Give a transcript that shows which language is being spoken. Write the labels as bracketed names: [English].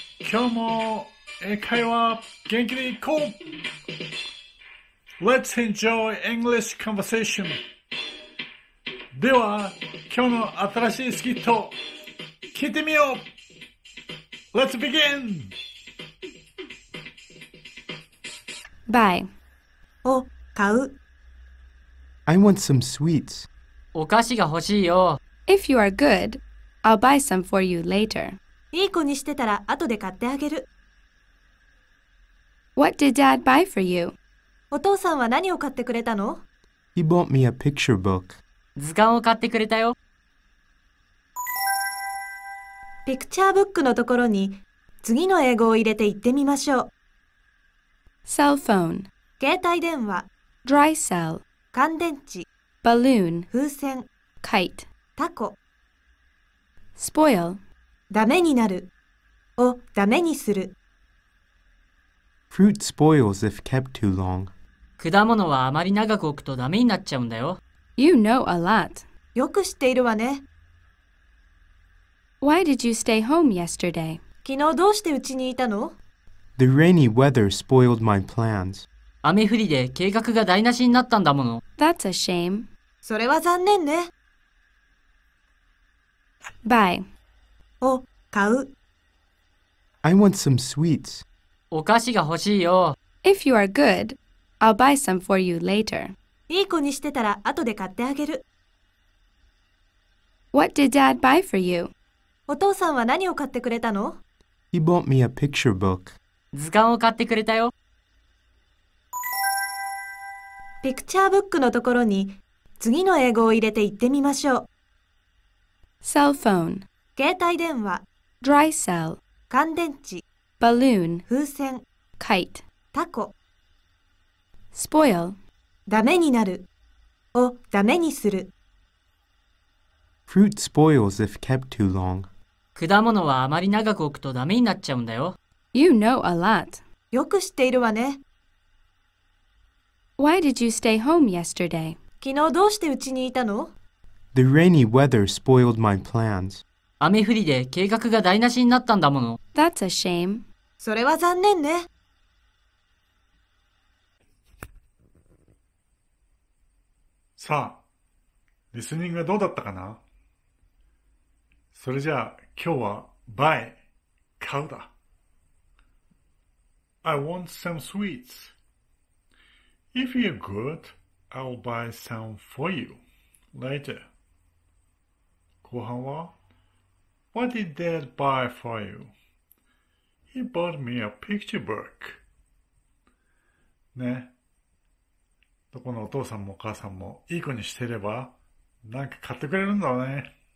[Japanese] 今日も英会話元気でいこう！ [English] Let's enjoy English conversation! [Japanese] では、今日の新しいスキット聞いてみよう！ [English] Let's begin! Buy [Japanese] を買う。 [English] I want some sweets. [Japanese] お菓子が欲しいよ。 [English] If you are good, I'll buy some for you later. [Japanese] いい子にしてたら後で買ってあげる。 [English] What did dad buy for you? [Japanese] お父さんは何を買ってくれたの？ [English] He bought me a picture book. [Japanese] 図鑑を買ってくれたよ。ピクチャーブックのところに次の英語を入れて言ってみましょう。 [English] Cell phone [Japanese] 携帯電話。 [English] Dry cell [Japanese] 乾電池。 [English] Balloon [Japanese] 風船 [English] Kite [Japanese] タコ [English] Spoil [Japanese] ダメになるをダメにする [English] Fruit spoils if kept too long [Japanese] 果物はあまり長く置くとダメになっちゃうんだよ [English] You know a lot [Japanese] よく知っているわね [English] Why did you stay home yesterday? [Japanese] 昨日どうして家にいたの [English] The rainy weather spoiled my plans [Japanese] 雨降りで計画が台無しになったんだもの。 [English] That's a shame. [Japanese] それは残念ね。 [English] Buy [Japanese] を買う。 [English] I want some sweets. [Japanese] お菓子が欲しいよ。 [English] If you are good, I'll buy some for you later. [Japanese] いい子にしてたら後で買ってあげる。 [English] What did dad buy for you? [Japanese] お父さんは何を買ってくれたの? [English] He bought me a picture book. [Japanese] 図鑑を買ってくれたよ。ピクチャーブックのところに次の英語を入れて言ってみましょう。 [English] Cell phone [Japanese] 携帯電話 [English] Dry cell [Japanese] 乾電池 [English] Balloon [Japanese] 風船 [English] Kite [Japanese] タコ [English] Spoil [Japanese] ダメになるをダメにする [English] Fruit spoils if kept too long [Japanese] 果物はあまり長く置くとダメになっちゃうんだよ [English] You know a lot [Japanese] よく知っているわね [English] Why did you stay home yesterday? [Japanese] 昨日どうして家にいたの? [English] The rainy weather spoiled my plans. [Japanese] 雨降りで計画が台無しになったんだもの。 [English] That's a shame. [Japanese] それは残念ね。さあ、リスニングはどうだったかな?それじゃあ、今日は buy、買うだ。 [English] I want some sweets. If you're good, I'll buy some for you later. [Japanese] 後半は [English] What did dad buy for you? He bought me a picture book. [Japanese] ね。どこのお父さんもお母さんもいい子にしていればなんか買ってくれるんだろうね。